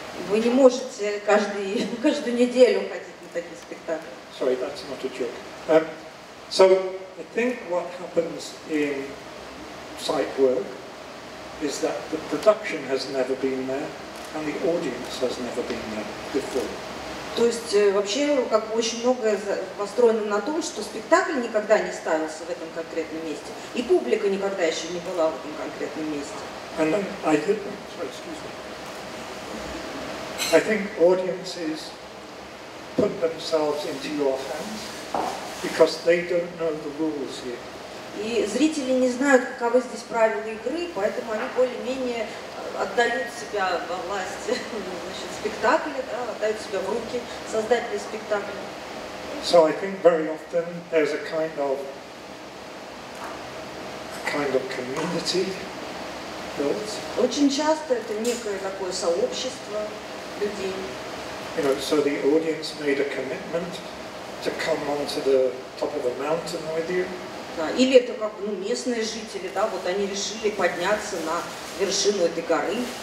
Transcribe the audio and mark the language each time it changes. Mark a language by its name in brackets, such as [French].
[Russian] Вы не можете каждую неделю ходить на такие спектакли. [English] Sorry, that's not a joke. So I think what happens in site work is that the production has never been there and the audience has never been there before. [Russian] То есть вообще как бы очень многое построено на том, что спектакль никогда не ставился в этом конкретном месте, и публика никогда еще не была в этом конкретном месте. [English] And I think, sorry, excuse me. I think audiences put themselves into your hands because they don't know the rules yet. [Russian] И зрители не знают, каковы здесь правила игры, поэтому они более-менее отдают себя во власть, значит, спектакля, да, отдают себя в руки создателя спектакля. [English] So I think very often there's a kind of community built. [Russian] Очень часто это некое такое сообщество людей. [English] You know, so the audience made a commitment to come onto the top of a mountain with you. [Russian] Или это как местные жители, да, вот они решили подняться на вершину этой горы.